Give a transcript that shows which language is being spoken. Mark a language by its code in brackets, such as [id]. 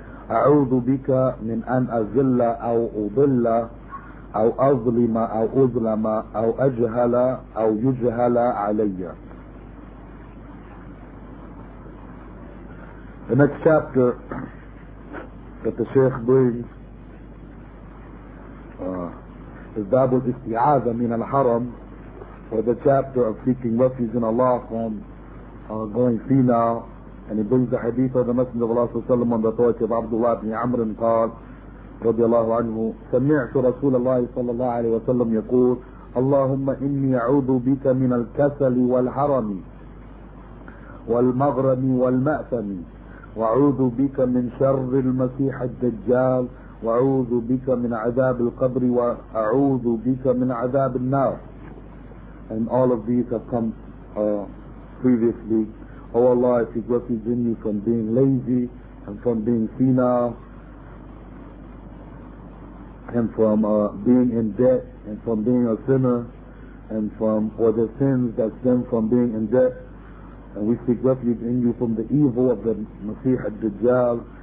[ar] أعوذ بك من أن أزل أو أضل أو أظلم أو أظلم أو أجهل أو يجهل علي. [en] The next chapter that the Shaykh brings is [ar] باب الاستعاذة من الحرم, [en] or the chapter of seeking refuge in Allah from going senile. And he brings the hadith of the Messenger of Allah sallallahu alayhi wa sallam on the authority of Abdullah ibn Amr and Qad radiallahu anhu, [ar] سَمِعْتُ رَسُولَ اللَّهِ صَلَّى اللَّهِ عَلَيْهِ وَسَلَّمْ يَقُولُ اللَّهُمَّ إِنِّي أَعُوذُ بِكَ مِنَ الْكَسَلِ وَالْحَرَمِ وَالْمَغْرَمِ وَالْمَأْثَمِ وَأَعُوذُ بِكَ مِنْ شَرِّ الْمَسِيحِ الدَّجَّالِ وَأَعُوذُ بِكَ مِنْ عَذَابِ الْقَبْرِ وَأَعُوذُ بِكَ مِنْ عَذَابِ النَّارِ. [en] And all of these have come previously Oh Allah, I seek refuge in you from being lazy and from being senile and from being in debt and from being a sinner and from for the sins that stem from being in debt. And we seek refuge in you from the evil of the Masih al-Dajjal.